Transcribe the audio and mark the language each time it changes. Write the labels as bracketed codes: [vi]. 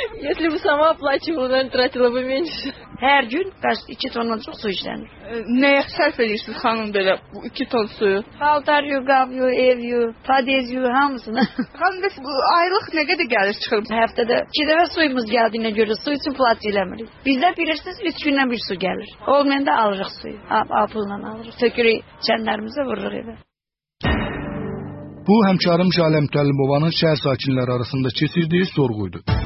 [ru] Если бы сама оплачивала, то тратила бы меньше. [az] Hər gün bəs 2 tondan çox su işlənir. Nəyə sərf edirsiniz xanım belə bu 2 ton suyu? Paltar yu, qab yu, ev yu, padez yu, hamısını. Xanım bəs bu aylıq nə qədər gəlir çıxır? Həftədə 2 dəfə suyumuz gəldiyinə görə su üçün plat eləmirik. Bizdə bilirsiniz 3 gündən bir su gəlir. Olmayan da alırıq suyu. Apılla alırıq. Tökürük çənlərimizə vururuq evə. Bu həmkarım Şalə Mütəllimovanın şəhər sakinləri arasında keçirdiyi sorğuydu.